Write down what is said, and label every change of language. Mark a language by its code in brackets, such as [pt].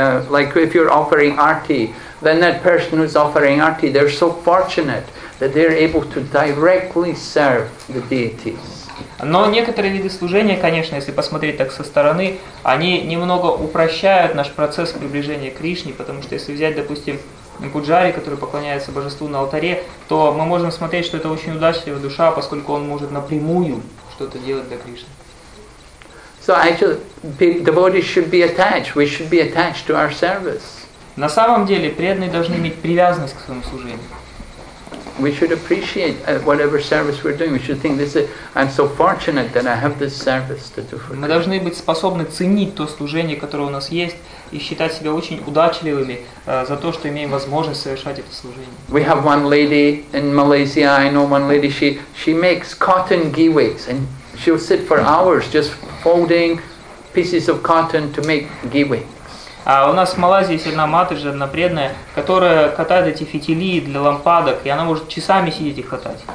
[en] Like if you're offering arti, then that person who's offering arti, they're so fortunate that they're able to directly serve the deities. [ru] Но некоторые виды служения, конечно, если посмотреть так со стороны, они немного упрощают наш процесс приближения к Кришне, потому что если взять, допустим, пуджари, который поклоняется божеству на алтаре, то мы можем смотреть, что это очень удачливая душа, поскольку он может напрямую что-то делать для Кришны. [en] So actually, devotees should be attached. We should be attached to our service. [ru] На самом деле, преданные должны иметь привязанность к своему служению. [en] We should appreciate whatever service we're doing. We should think, "This is I'm so fortunate that I have this service to do for Krishna." [ru] Мы должны быть способны ценить то служение, которое у нас есть, и считать себя очень удачливыми за то, что имеем возможность совершать это служение. [en] We have one lady in Malaysia. I know one lady. She makes cotton ghee wicks, and she'll sit for hours just folding pieces of cotton to make ghee wicks. [ru] У нас в Малайзии есть одна матаджа, одна преданная, которая катает эти фитили для лампадок, и она может часами сидеть их катать.